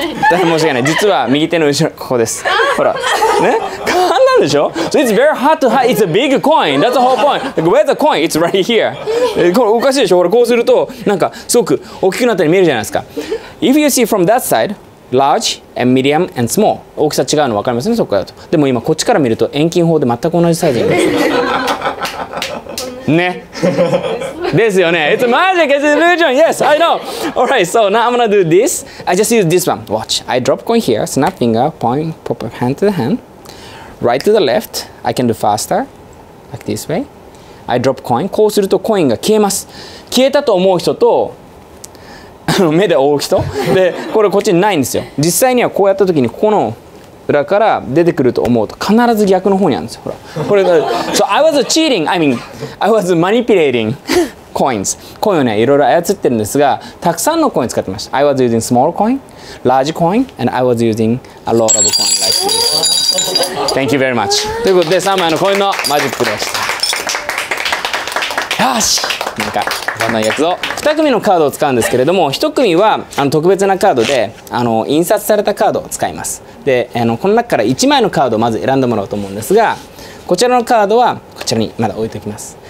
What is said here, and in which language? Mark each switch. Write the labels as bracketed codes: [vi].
[ja] 大変申し訳ない。実は右手の後ろ、ここです。ほら。ね。 [en] So it's very hard to hide. It's a big coin. That's the whole point. Like, where's the coin? It's right here. [ja] これおかしいでしょ。これこうするとなんかすごく大きくなったように見えるじゃないですか。 [en] If you see from that side, large and medium and small. [ja] 大きさ違うの分かりますね、そこからだと。でも今こっちから見ると遠近法で全く同じサイズになります。ね。ですよね。 [en] It's magic. It's illusion. Yes, I know. All right. So now I'm gonna do this. I just use this one. Watch. I drop coin here. Snap finger. Point. Pop up hand to the hand. Right to the left, I can do faster, like this way. I drop coin. [ja] こうするとコインが消えます。消えたと思う人と目で追う人。で、これこっちにないんですよ。実際にはこうやった時にここの裏から出てくると思うと必ず逆の方にあるんですよ。ほらこれが、 [en] so I was cheating, I mean, I was manipulating coins. [ja] コインをね、いろいろ操ってるんですが、たくさんのコイン使ってました。 [en] I was using small coin, large coin, and I was using a lot of coin like this. Thank you very much. [ja] ということで、3枚のコインのマジックでした。よし、なんか、こんなやつを。2組のカードを使うんですけれども、1組はあの特別なカードで、あの印刷されたカードを使います。で、あのこの中から1枚のカードをまず選んでもらおうと思うんですが、こちらのカードはこちらにまだ置いておきます。